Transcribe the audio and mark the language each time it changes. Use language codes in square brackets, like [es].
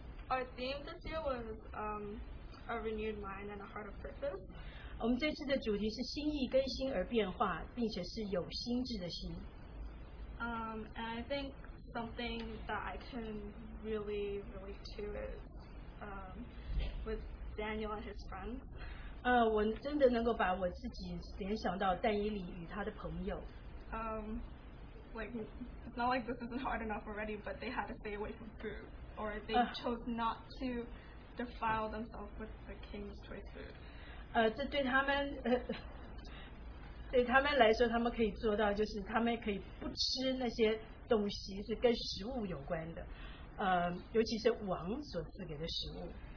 [en] Our theme this year was a renewed mind and a heart of purpose. [zh] 我们这次的主题是心意更新而变化，并且是有心智的心。 [en] And I think something that I can really relate to is with Daniel and his friends. [zh] 我真的能够把我自己联想到但以理与他的朋友。 [en] Like it's not like this isn't hard enough already, but they had to stay away from food. Or they chose not to defile themselves with the king's choice food. [zh] 这对他们对他们来说，他们可以做到，就是他们可以不吃那些东西是跟食物有关的。尤其是王所赐给的食物。